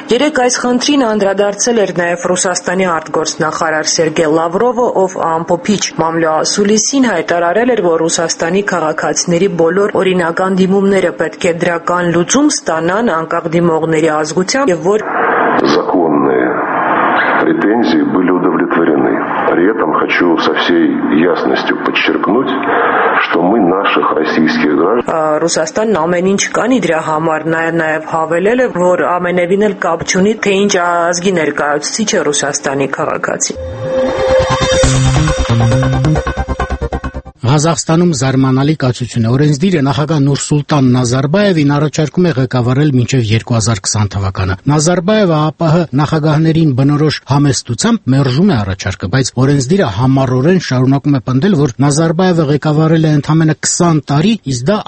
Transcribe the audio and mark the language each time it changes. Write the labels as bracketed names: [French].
[Armenian] Երեկ այս խնդրին անդրադարձել էր նաև Ռուսաստանի արտգործնախարար Սերգե Լավրովը, ով ամփոփիչ մամլոասուլիսին հայտարարել էր, որ Ռուսաստանի քաղաքացիների բոլոր օրինական դիմումները պետք է դրական լուծում ստանան անկախ դիմողների ազգությամբ, և որ [Russian] претензии были удовлетворены. При этом хочу со всей ясностью подчеркнуть, что мы наших российских граждан. [Armenian] Ռուսաստանն ամեն ինչ կանի դրա համար, նաև հավելել է, որ ամենևին էլ կապ չունի, թե ինչ ազգի ներկայացուցիչ է Ռուսաստանի քաղաքացի։ Ղազախստանում զարմանալի կացություն է օրենսդիր է նախագահ Նուրսուլտան Նազարբայևին առաջարկում է ղեկավարել մինչև 2020 թվականը։ Նազարբայևը ԱՊՀ նախագահներին բնորոշ համեստությամբ մերժում է առաջարկը, բայց օրենսդիրը համառորեն շարունակում է պնդել, որ Նազարբայևը ղեկավարել է ընդամենը 20 տարի, իսկ դա